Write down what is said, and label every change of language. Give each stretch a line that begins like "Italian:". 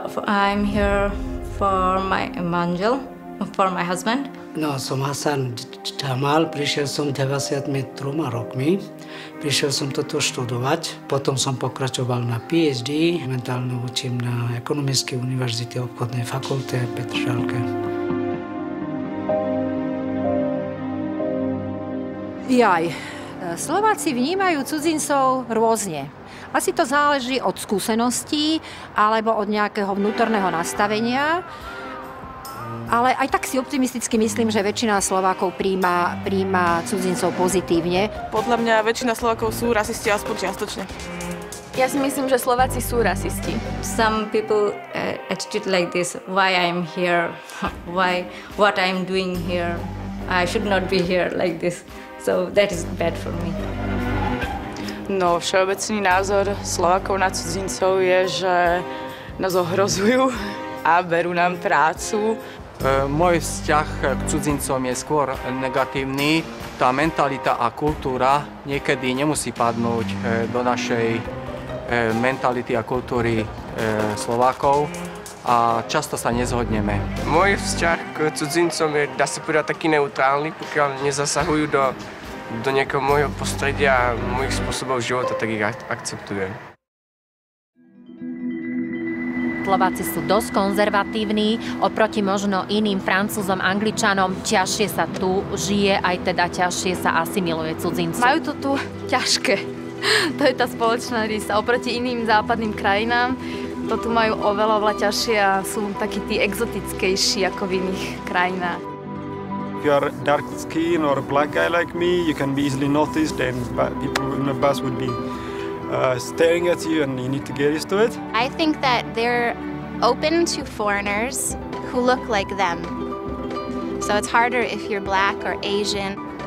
English: I'm here for my manjal, for my husband.
Slovak: No, som Hassan Jamal. Prišiel som 93 rokmi. Prišiel som toto študovať. Potom som pokračoval na PhD. Mentálne učím na Ekonomickej univerzite obchodnej fakulte Petržalke. Jaj. Slováci vnímajú cudzincov rôzne. Asi to záleží od skúseností alebo od nejakého vnútorného nastavenia. Ale aj tak si optimisticky myslím, že väčšina Slovákov príjma cudzincov pozitívne. Podľa mňa väčšina Slovákov sú rasisti aspoň čiastočne. Ja si myslím, že Slováci sú rasisti.
English: Some people attitude like this, why I'm here, why, what I'm doing here. I should not be here like this. So that is bad for me.
Slovak: No, všeobecný názor Slovákov na cudzincov je, že nás ohrozujú a berú nám prácu. Môj vzťah k cudzincom je skôr negatívny. Tá mentalita a kultúra niekedy nemusí padnúť do našej mentality a kultúry Slovákov a často sa nezhodneme. Môj vzťah k cudzincom je, dá sa povedať, taký neutrálny, pokiaľ nezasahujú do nejakého môjho prostredia a mojich spôsobov života, tak ich akceptujem. Slováci sú dosť konzervatívni, oproti možno iným Francúzom, Angličanom, ťažšie sa tu žije, aj teda ťažšie sa asimiluje cudzincu. Majú to tu ťažké, to je tá spoločná rysa. Oproti iným západným krajinám, to tu majú oveľa ťažšie a sú takí tí exotickejší ako v iných krajinách.
English: If you are dark skin or a black guy like me, you can be easily noticed and people in the bus would be staring at you and you need to get used to it. I think that they're open to foreigners who look like them. So it's harder if you're black or Asian.